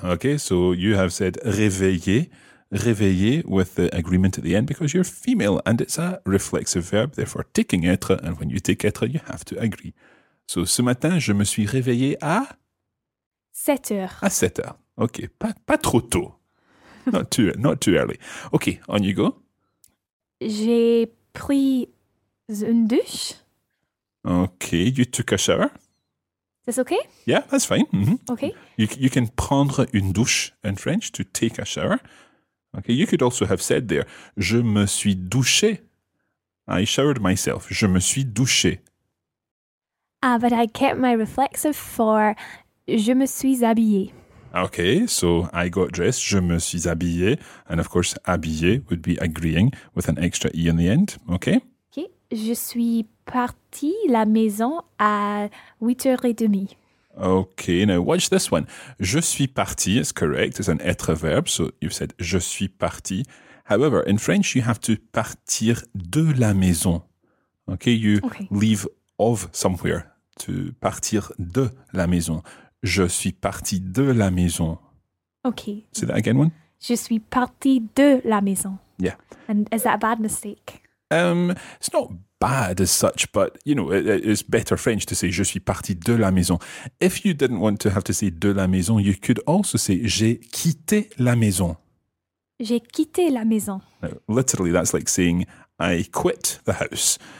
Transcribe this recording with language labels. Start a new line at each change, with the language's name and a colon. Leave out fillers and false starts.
English: Okay, so you have said réveillé. Réveillé with the agreement at the end because you're female and it's a reflexive verb, therefore taking être, and when you take être, you have to agree.
French: So ce matin, je me suis réveillé à 7 heures. À 7 heures.
English: Okay,
French: pas trop tôt.
English: Not too early. Okay, on you go.
French: J'ai pris une douche.
English: Okay, you took a shower. Is this okay? Yeah, that's fine. Mm-hmm. Okay. You can
French: prendre une douche
English: in French, to take a shower. Okay, you could also have said there,
French: je me suis douché.
English: I showered myself.
French: Je me suis douché.
English: Ah, but I kept my reflexive for
French: je me suis habillé.
English: Okay, so I got dressed,
French: je me suis habillé,
English: and of course, habillé would be agreeing with an extra E in the end, okay?
French: Okay, je suis parti la maison à 8h30.
English: Okay, now watch this one.
French: Je suis parti
English: is correct, it's an être verb, so you've said
French: je suis parti.
English: However, in French, you have to
French: partir de la maison,
English: okay? You leave of somewhere, to
French: partir de la maison. Je suis parti de la maison.
English: Okay. Say that again, one.
French: Je suis parti de la maison.
English: Yeah. And is that a bad mistake? It's not bad as such, but, you know, it's better French to say
French: je suis parti de la maison.
English: If you didn't want to have to say
French: de la maison,
English: you could also say
French: j'ai quitté la maison. J'ai quitté la maison.
English: Now, literally, that's like saying I quit the house.